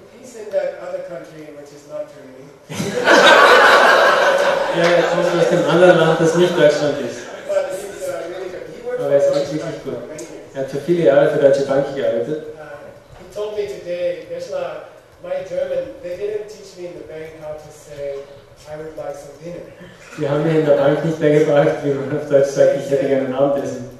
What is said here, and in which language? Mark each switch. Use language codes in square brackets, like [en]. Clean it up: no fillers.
[en] He's in that other country which is not Germany. [de] Ja, jetzt kommt aus dem anderen Land, das nicht Deutschland ist. [en] Really, [de] aber er ist auch wirklich gut. Er hat für viele Jahre für Deutsche Bank gearbeitet. [en] He told me today, Tesla. My German, they didn't teach me in the bank how to say, I would like some dinner. [de] Die haben mich in der Bank nicht mehr gefragt, wie man auf Deutsch sagt, ich hätte gerne ein Abendessen.